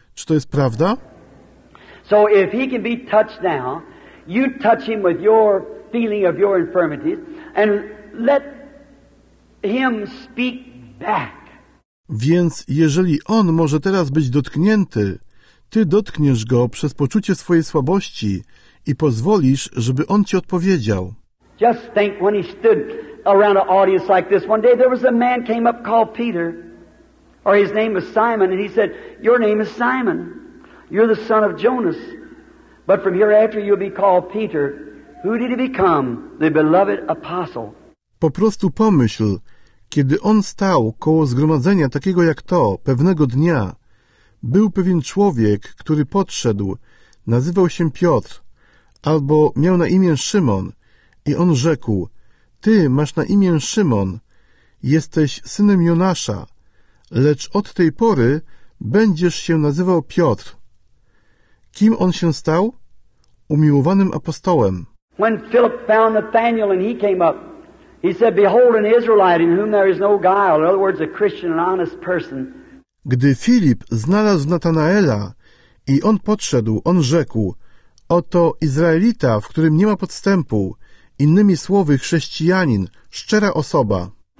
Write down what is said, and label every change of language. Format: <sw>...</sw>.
<pl>Czy to jest prawda?</pl> <en>So if He can be touched now, you touch Him with your feeling of your infirmities and let Him speak back.</en> <pl>Więc jeżeli On może teraz być dotknięty, Ty dotkniesz Go przez poczucie swojej słabości i pozwolisz, żeby On Ci odpowiedział.</pl> <en>Just think when He stood around an audience like this one day, there was a man came up called Peter, or his name was Simon, and he said, your name is Simon, you're the son of Jonas, but from hereafter you'll be called Peter. Who did he become? The beloved apostle.</en> <pl>Po prostu pomyśl, kiedy on stał koło zgromadzenia takiego jak to, pewnego dnia, był pewien człowiek, który podszedł, nazywał się Piotr, albo miał na imię Szymon, i on rzekł, Ty masz na imię Szymon, jesteś synem Jonasza, lecz od tej pory będziesz się nazywał Piotr. Kim on się stał? Umiłowanym apostołem.</pl> <en>When Philip found Nathanael and he came up, he said, behold an Israelite in whom there is no guile, in other words a Christian, an honest person.</en> <pl>Gdy Filip znalazł Natanaela i on podszedł, on rzekł, oto Izraelita, w którym nie ma podstępu, innymi słowy chrześcijanin, szczera osoba.</pl>